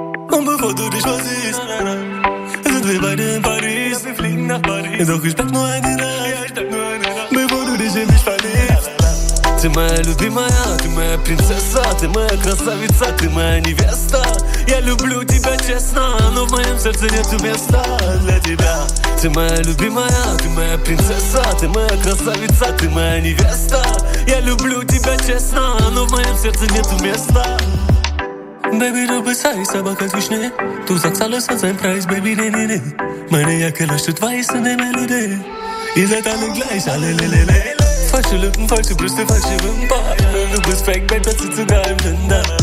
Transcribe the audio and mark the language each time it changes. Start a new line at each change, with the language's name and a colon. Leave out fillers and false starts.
German: Und bevor du dich versiehst, sind wir beide in Paris. Ja, wir fliegen nach Paris. Doch ich bleib nur eine Nacht.
Russian: Ты моя любимая, ты моя принцесса, ты моя красавица, ты моя невеста. Я люблю тебя честно, но в моем сердце нету места для тебя. Ты моя любимая, ты моя принцесса, ты моя красавица, ты моя невеста. Я люблю тебя честно, но в моем сердце нету места.
German: Baby, du bist heiß, aber kalt wie Schnee. Du sagst alles hat seinen Preis, baby, nee, nee, nee. Meine Jacke leuchtet weiß in der Melodie. Ihr seid alle gleich, alle lelele. Falsche Lippen, falsche Brüste, falsche Wimpern. Du bist fake, babe, das ist sogar im Linder.